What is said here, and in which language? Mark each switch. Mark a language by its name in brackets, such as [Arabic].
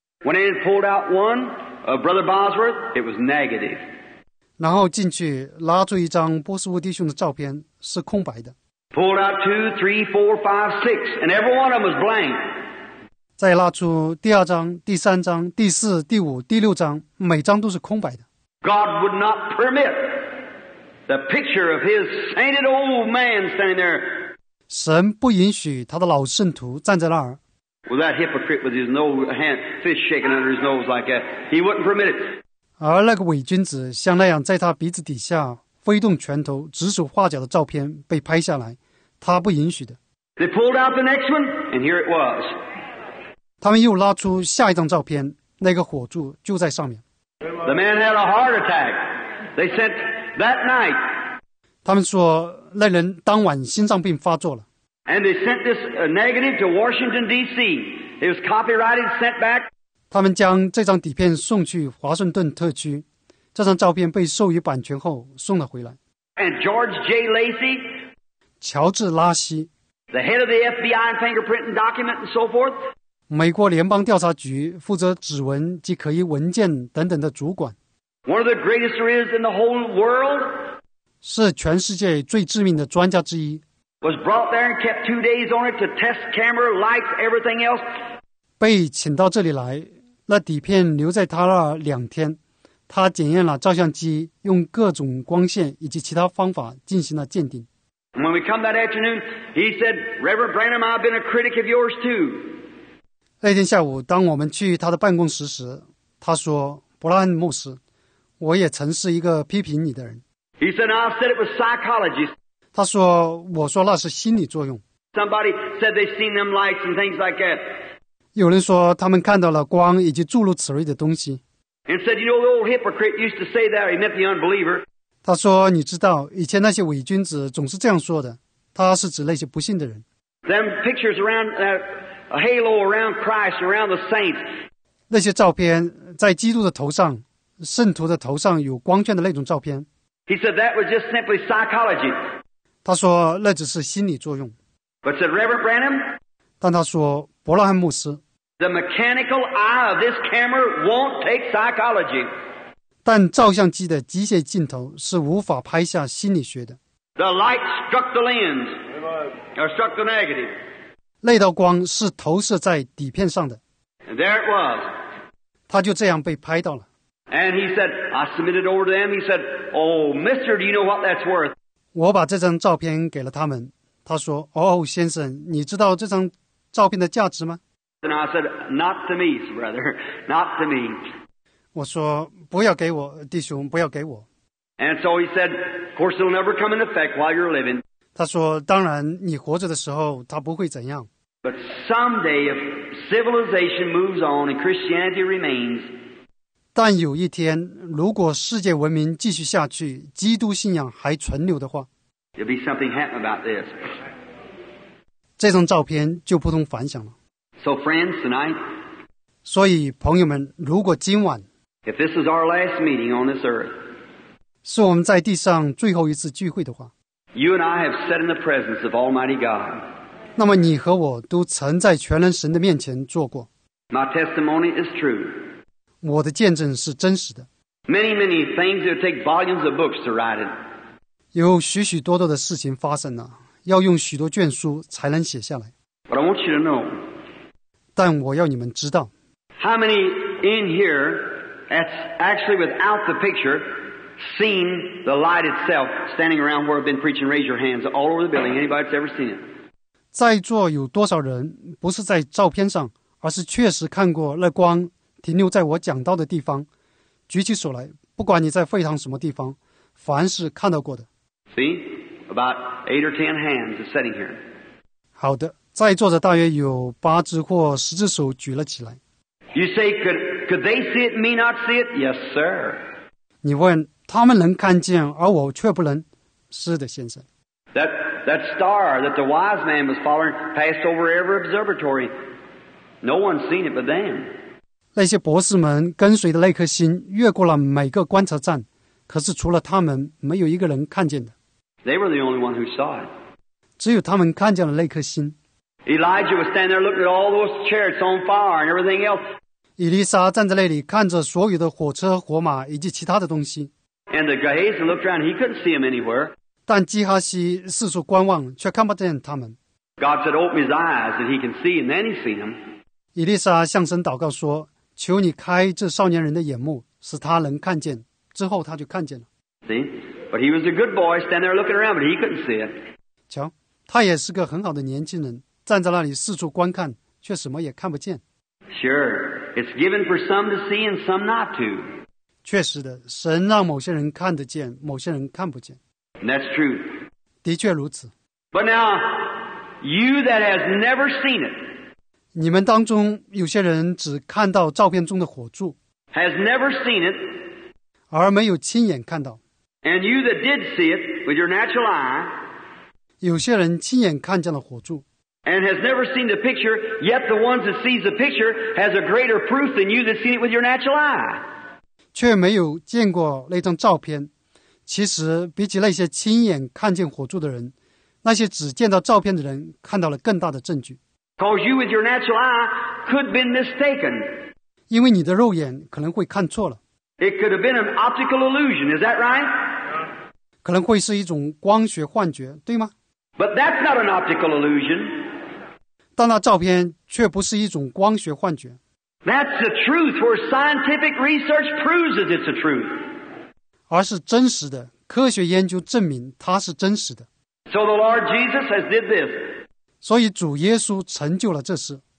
[English] When he pulled out one of Brother Bosworth, it was negative. [Chinese] 然后进去拉出一张波斯沃弟兄的照片，是空白的。 [English] Pulled out two, three, four, five, six, and every one of them was blank. [Chinese] 再拉出第二张、第三张、第四、第五、第六张，每张都是空白的。 [English] God would not permit the picture of his sainted old man standing there. [Chinese] 神不允许他的老圣徒站在那儿。 [English] Well, that hypocrite with his nose, hand, fish shaking under his nose like that, he wouldn't permit it. [Chinese] 而那个伪君子像那样在他鼻子底下挥动拳头指手画脚的照片被拍下来，他不允许的。 [English] They pulled out the next one, and here it was. [Chinese] 他们又拉出下一张照片，那个火柱就在上面。 [English] The man had a heart attack. They said that night. [Chinese] 他们说那人当晚心脏病发作了。 [English] And they sent this negative to Washington D.C. It was copyrighted, sent back. [Chinese] 他们将这张底片送去华盛顿特区，这张照片被授予版权后送了回来。 [English] And George J. Lacy. [Chinese] 乔治拉西。 [English] The head of the FBI and fingerprinting document and so forth. [Chinese] 美国联邦调查局负责指纹及可疑文件等等的主管。 [English] One of the greatest there is in the whole world. [Chinese] 是全世界最知名的专家之一。 [English] Was brought there and kept 2 days on it to test camera lights, everything else. [Chinese] 被请到这里来，那底片留在他那两天，他检验了照相机，用各种光线以及其他方法进行了鉴定。 [English] When we come that afternoon, he said, "Reverend Branham, I've been a critic of yours too." [Chinese] 那天下午当我们去他的办公室时，他说，伯拉罕牧师，我也曾是一个批评你的人。 [English] He said, "I said it was psychology." [Chinese] 他说，我说那是心理作用。 [English] Somebody said they seen them lights and things like that. [Chinese] 有人说他们看到了光以及诸如此类的东西。 [English] And said, "You know, the old hypocrite used to say that, he meant the unbeliever." [Chinese] 他说，你知道以前那些伪君子总是这样说的，他是指那些不信的人。 [English] Them pictures around that. A halo around Christ, around the saints. [Chinese] 那些照片在基督的头上，圣徒的头上有光圈的那种照片。 [English] He said that was just simply psychology. [Chinese] 他说那只是心理作用。 [English] But said Reverend Branham. [Chinese] 但他说伯拉罕牧师。 [English] The mechanical eye of this camera won't take psychology. [Chinese] 但照相机的机械镜头是无法拍下心理学的。 [English] The light struck the lens, or struck the negative. [Chinese] 那道光是投射在底片上的。 [English] And there it was. [Chinese] 他就这样被拍到了。 [English] And he said, "I submitted over to them." He said, "Oh, mister, do you know what that's worth?" [Chinese] 我把这张照片给了他们。他说，哦，先生，你知道这张照片的价值吗？ [English] And I said, "Not to me, brother, not to me." [Chinese] 我说，不要给我，弟兄，不要给我。 [English] And so he said, "Of course, it'll never come into effect while you're living." [Chinese] 他说当然你活着的时候他不会怎样。 [English] But someday if civilization moves on and Christianity remains, [Chinese] 但有一天如果世界文明继续下去，基督信仰还存留的话， [English] there'll be something happen about this. [Chinese] 这张照片就不同凡响了。 [English] So friends, tonight, [Chinese] 所以朋友们，如果今晚， [English] if this is our last meeting on this earth, [Chinese] 是我们在地上最后一次聚会的话， [English] You and I have sat in the presence of Almighty God. [Chinese] 那么你和我都曾在全能神的面前坐过。 [English] My testimony is true. [Chinese] 我的见证是真实的。 [English] Many, many things that take volumes of books to write it. [Chinese] 有许许多多的事情发生了，要用许多卷书才能写下来。 [English] But I want you to know, [Chinese] 但我要你们知道 [English] How many in here that's actually without the picture seen the light itself standing around where I've been preaching? Raise your hands all over the building. Anybody that's ever seen it? [Chinese] 在座有多少人不是在照片上，而是确实看过那光停留在我讲到的地方？举起手来，不管你在会堂什么地方，凡是看到过的。 [English] See? About 8 or 10 hands are sitting here. [Chinese] 好的，在座的大约有8只或10只手举了起来。 [English] You say, could they see it, me not see it? Yes, sir. [Chinese] 你问他们能看见，而我却不能？是的，先生。 [English] That star that the wise man was following passed over every observatory. No one's seen it but them. [Chinese] 那些博士们跟随的那颗星越过了每个观察站，可是除了他们，没有一个人看见的。 [English] They were the only one who saw it. [Chinese] 只有他们看见了那颗星。 [English] Elijah was standing there looking at all those chariots on fire and everything else. [Chinese] 以利沙站在那里看着所有的火车、火马以及其他的东西。 [English] And the Gehazi looked around, he couldn't see them anywhere. [Chinese] 但基哈西四处观望，却看不见他们。 [English] God said, open his eyes that he can see, and then he seen them. [Chinese] 以利沙向神祷告说，求你开这少年人的眼目，使他能看见。之后他就看见了。 [English] See? But he was a good boy standing there looking around, but he couldn't see it. [Chinese] 瞧，他也是个很好的年轻人，站在那里四处观看，却什么也看不见。 [English] Sure, it's given for some to see and some not to. [Chinese] 确实的，神让某些人看得见，某些人看不见。 [English] And that's true. [Chinese] 的确如此。 [English] But now, you that has never seen it. [Chinese] 你们当中有些人只看到照片中的火柱。 [English] Has never seen it. [Chinese] 而没有亲眼看到。 [English] And you that did see it with your natural eye. [Chinese] 有些人亲眼看见了火柱。 [English] And has never seen the picture, yet the ones that sees the picture has a greater proof than you that seen it with your natural eye. [Chinese] 却没有见过那张照片。其实比起那些亲眼看见火柱的人，那些只见到照片的人看到了更大的证据。 [English] Because you with your natural eye could have been mistaken. [Chinese] 因为你的肉眼可能会看错了。 [English] It could have been an optical illusion, is that right? [Chinese] 可能会是一种光学幻觉，对吗？ [English] But that's not an optical illusion. [Chinese] 但那照片却不是一种光学幻觉。 [English] That's the truth where scientific research proves that it's the truth. [Chinese] 而是真实的，科学研究证明它是真实的。 [English] So the Lord Jesus has did this. [Chinese] 所以主耶稣成就了这事。